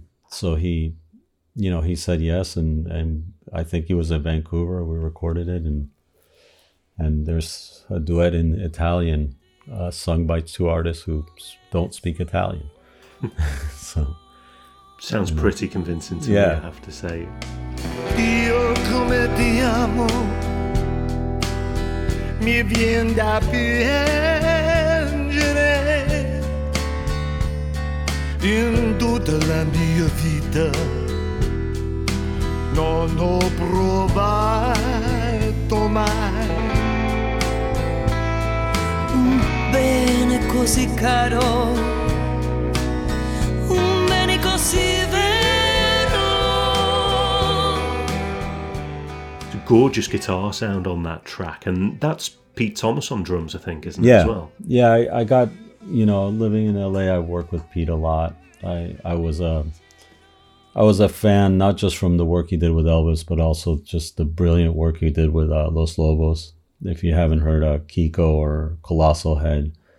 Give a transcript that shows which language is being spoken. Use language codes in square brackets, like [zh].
[en] So he, you know, he said yes, and I think he was in Vancouver. We recorded it, and there's a duet in Italian sung by two artists who don't speak Italian. So, sounds pretty convincing to me, I have to say. [it] Io come ti amo, mi viene da piangere in tutta la mia vita. Non ho provato mai un bene così caro, un bene così vero. [en] It's a gorgeous guitar sound on that track, and that's Pete Thomas on drums, I think, isn't it, as well? Yeah, I got, you know, living in LA, I work with Pete a lot. I was a fan, not just from the work he did with Elvis, but also just the brilliant work he did with Los Lobos. If you haven't heard Kiko or Colossal Head,